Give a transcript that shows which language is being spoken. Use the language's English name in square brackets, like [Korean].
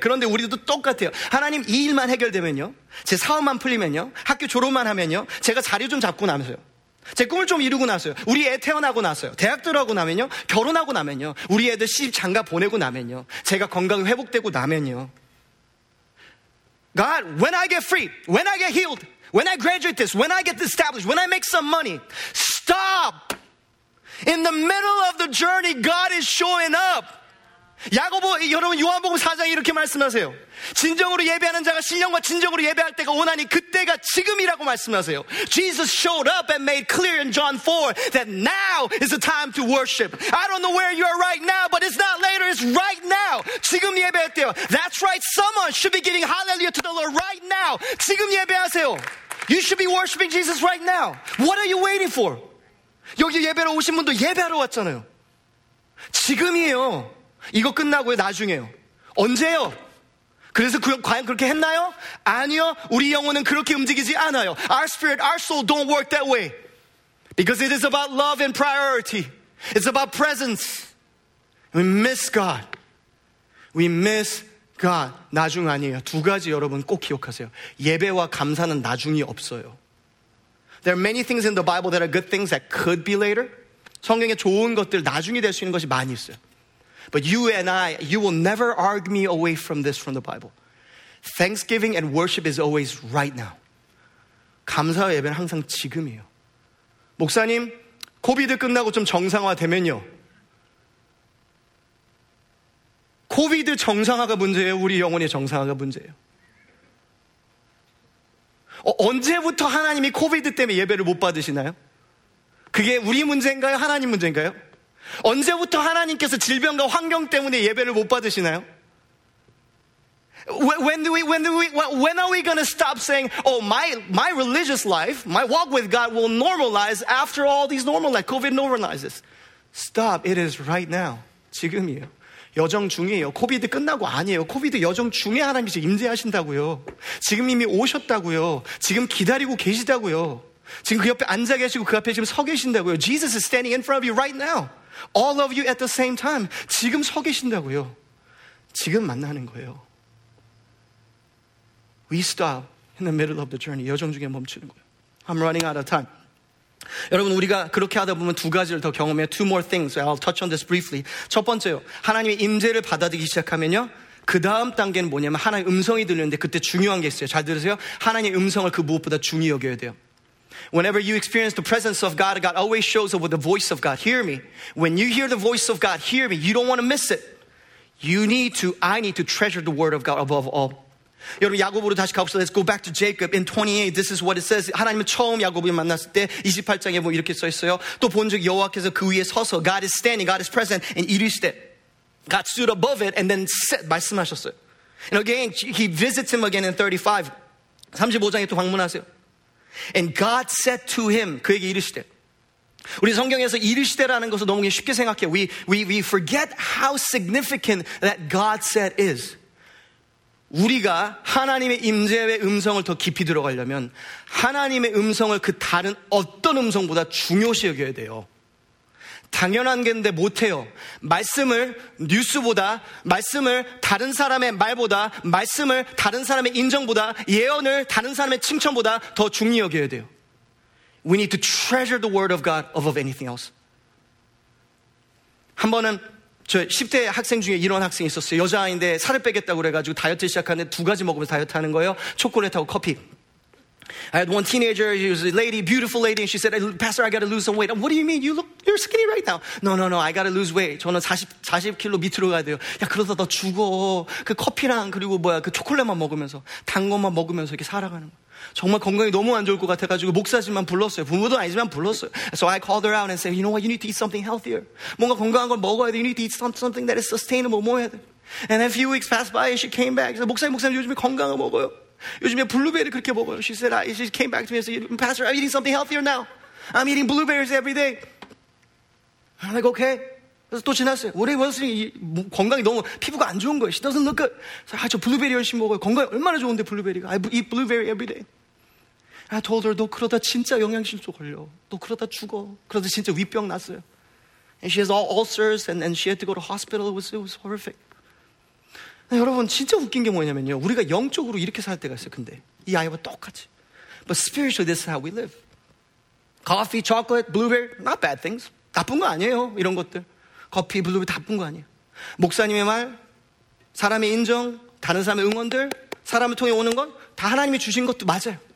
[Korean] 그런데 우리도 똑같아요. 하나님, 이 일만 해결되면요, 제 사업만 풀리면요, 학교 졸업만 하면요, 제가 자리 좀 잡고 나면서요, 제 꿈을 좀 이루고 나서요, 우리 애 태어나고 나서요, 대학 들어가고 나면요, 결혼하고 나면요, 우리 애들 시집 장가 보내고 나면요, 제가 건강이 회복되고 나면요, [English] God, when I get free, when I get healed, when I graduate this, when I get established, when I make some money, stop. In the middle of the journey, God is showing up. [Korean] 야고보, 여러분 요한복음 4장에 이렇게 말씀하세요. 진정으로 예배하는 자가 신령과 진정으로 예배할 때가 오나니 그때가 지금이라고 말씀하세요. [English] Jesus showed up and made clear in John 4 that now is the time to worship. I don't know where you are right now, but it's not later, it's right now. [Korean] 지금 예배할 때요. [English] That's right, someone should be giving hallelujah to the Lord right now. [Korean] 지금 예배하세요. [English] You should be worshiping Jesus right now. What are you waiting for? [Korean] 여기 예배로 오신 분도 예배하러 왔잖아요. 지금이에요. 이거 끝나고요, 나중에요. 언제요? 그래서 과연 그렇게 했나요? 아니요. 우리 영혼은 그렇게 움직이지 않아요. [English] Our spirit, our soul don't work that way. Because it is about love and priority. It's about presence. We miss God. We miss God. [Korean] 나중 아니에요. 두 가지 여러분 꼭 기억하세요. 예배와 감사는 나중이 없어요. [English] There are many things in the Bible that are good things that could be later. [Korean] 성경에 좋은 것들 나중에 될 수 있는 것이 많이 있어요. [English] But you and I, you will never argue me away from this from the Bible. Thanksgiving and worship is always right now. [Korean] 감사와 예배는 항상 지금이에요. 목사님, 코비드 끝나고 좀 정상화되면요. 코비드 정상화가 문제예요. 우리 영혼의 정상화가 문제예요. 언제부터 하나님이 코비드 때문에 예배를 못 받으시나요? 그게 우리 문제인가요? 하나님 문제인가요? 언제부터 하나님께서 질병과 환경 때문에 예배를 못 받으시나요? [English] When are we gonna stop saying, oh, my religious life, my walk with God will normalize after all these normal life, COVID normalizes. Stop. It is right now. [Korean] 지금이에요. 여정 중이에요. 코비드 끝나고 아니에요. 코비드 여정 중에 하나님이 임재하신다고요. 지금 이미 오셨다고요. 지금 기다리고 계시다고요. 지금 그 옆에 앉아 계시고 그 앞에 지금 서 계신다고요. [English] Jesus is standing in front of you right now. All of you at the same time. [Korean] 지금 서 계신다고요. 지금 만나는 거예요. [English] We stop in the middle of the journey. [Korean] 여정 중에 멈추는 거예요. [English] I'm running out of time. [Korean] 여러분 우리가 그렇게 하다 보면 두 가지를 더 경험해요. [English] Two more things. I'll touch on this briefly. [Korean] 첫 번째요. 하나님의 임재를 받아들이기 시작하면요. 그 다음 단계는 뭐냐면 하나님의 음성이 들리는데 그때 중요한 게 있어요. 잘 들으세요. 하나님의 음성을 그 무엇보다 중히 여겨야 돼요. [English] Whenever you experience the presence of God, God always shows up with the voice of God. Hear me. When you hear the voice of God, hear me. You don't want to miss it. I need to treasure the word of God above all. [Korean] 여러분 야곱으로 다시 가봅시다. [English] Let's go back to Jacob in 28. This is what it says. [Korean] 하나님은 처음 야곱을 만났을 때 28장에 뭐 이렇게 써 있어요. 또 본즉 여호와께서 그 위에 서서 [English] God is standing, God is present and [Korean] 이르시되 [English] God stood above it and then said [Korean] 말씀하셨어요. [English] And again he visits him again in 35. [Korean] 35장에 또 방문하세요. [English] And God said to him [Korean] 그에게 이르시되 우리 성경에서 이르시되라는 것을 너무 쉽게 생각해요. [English] We forget how significant that God said is. [Korean] 우리가 하나님의 임재의 음성을 더 깊이 들어가려면 하나님의 음성을 그 다른 어떤 음성보다 중요시 여겨야 돼요. 당연한 게인데 못해요. 말씀을 뉴스보다 말씀을 다른 사람의 말보다 말씀을 다른 사람의 인정보다 예언을 다른 사람의 칭찬보다 더 중요히 여겨야 돼요. [English] We need to treasure the word of God above anything else. [Korean] 한 번은 저 10대 학생 중에 이런 학생이 있었어요. 여자아이인데 살을 빼겠다고 그래가지고 다이어트 시작하는데 두 가지 먹으면서 다이어트 하는 거예요. 초콜릿하고 커피. [English] I had one teenager, she was a lady, beautiful lady, and she said, Pastor, I gotta lose some weight. What do you mean? You're skinny right now. No, I gotta lose weight. [Korean] 저는 40kg 밑으로 가야 돼요. 야, 그러다 너 죽어. 그 커피랑 그리고 뭐야, 그 초콜릿만 먹으면서, 단 것만 먹으면서 이렇게 살아가는 거예요. 정말 건강이 너무 안 좋을 것 같아가지고 목사지만 불렀어요. 부모도 아니지만 불렀어요. [English] So I called her out and said, You know what? You need to eat something healthier. [Korean] 뭔가 건강한 걸 먹어야 돼. [English] You need to eat something that is sustainable. [Korean] 뭐 해야 돼. [English] And a few weeks passed by and she came back. So, [Korean] 목사님 요즘에 건강을 먹어요. 요즘에 블루베리 그렇게 먹어요. [English] She said, she came back to me and said, Pastor, I'm eating something healthier now. I'm eating blueberries every day. I'm like, okay. [Korean] 그래서 또 지났어요. 우리 원수님 건강이 너무 피부가 안 좋은 거예요. [English] She doesn't look good. [Korean] 그래서, 저 블루베리 열심히 먹어요. 건강이 얼마나 좋은데 블루베리가. [English] I eat blueberry every day. I told her, [Korean] 너 그러다 진짜 영양실조 걸려. 너 그러다 죽어. 그러다 진짜 위병 났어요. [English] And she has all ulcers and she had to go to hospital. It was horrific. [Korean] 여러분 진짜 웃긴 게 뭐냐면요. 우리가 영적으로 이렇게 살 때가 있어요. 근데 이 아이와 똑같이. [English] But spiritually this is how we live. Coffee, chocolate, blueberry, not bad things. [Korean] 나쁜 거 아니에요 이런 것들. 커피, 블루베리 다 나쁜 거 아니에요. 목사님의 말, 사람의 인정, 다른 사람의 응원들, 사람을 통해 오는 건 다 하나님이 주신 것도 맞아요.